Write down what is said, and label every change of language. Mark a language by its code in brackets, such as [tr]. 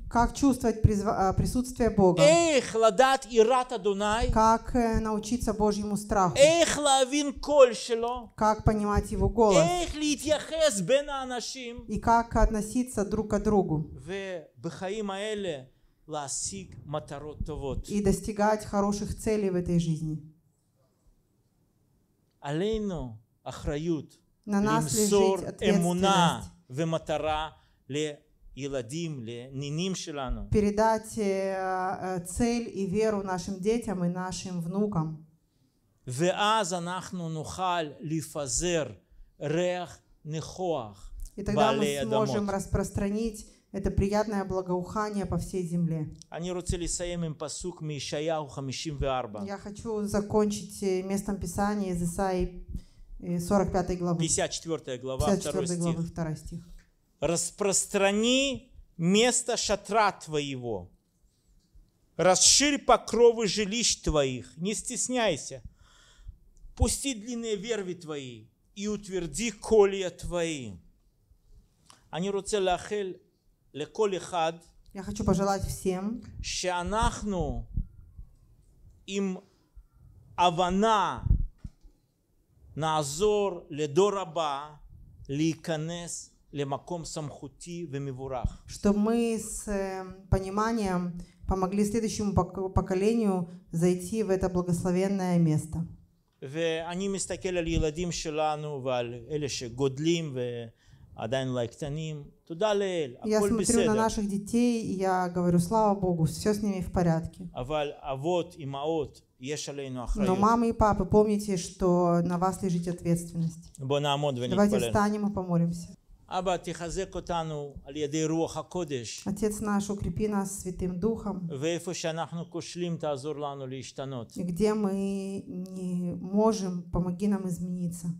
[ru] Как чувствовать присутствие Бога? [he] איך לדעת יראת אדוני? [ru] Как научиться Божьему страху? [he] איך להבין קול שלו? [ru] Как понимать его голос? [he] איך להתייחס בין האנשים? [ru] И как относиться друг к другу? [he] ובחיים האלה להשיג מטרות טובות. [ru] И достигать хороших целей в этой жизни. [he] עלינו אחריות. [ru] На нас лежит ответственность. [he] אמונה ומטרה. לילדים, לנינים שלנו. [ru] Передать цель и веру нашим детям и нашим внукам. [he] ואז אנחנו נוכל לפזר ריח ניחוח. [ru] И тогда мы сможем распространить это приятное благоухание по всей земле. [he] אני רוצה לסיים עם פסוק מישעיהו 54. [ru] Я хочу закончить местом писания из Исаии 45 главы. 54 глава, 2 стих. Распространи место шатра твоего, расширь покровы жилищ твоих, не стесняйся, пусти длинные верви твои и утверди колья твои. [he] Ани роце лахель леколь эхад. [ru] Я хочу пожелать всем, [he] שאנחנו им авана נעזור לדור הבא להיכנס למקום סמכותי ומבורך. [ru] Чтобы мы с пониманием помогли следующему поколению зайти в это благословенное место. [he] ואני מסתכל על ילדים שלנו ועל אלה שגודלים ועדיין קטנים. תודה לאל, הכל בסדר. [ru] Я смотрю на наших детей, я говорю, слава Богу, все с ними в порядке. [he] אבל אבות, אמהות, יש עלינו אחריות. [ru] Но мамы и папы, помните, что на вас лежит ответственность. [he] בוא נעמוד ונתפלל. [ru] Давайте встанем и помолимся. [he] אבא, תחזק אותנו על ידי רוח הקודש. [ru] Отец наш, укрепи нас святым духом. [he] ואיפה שאנחנו כושלים, תעזור לנו להשתנות. [ru] Где мы не можем, помоги нам измениться.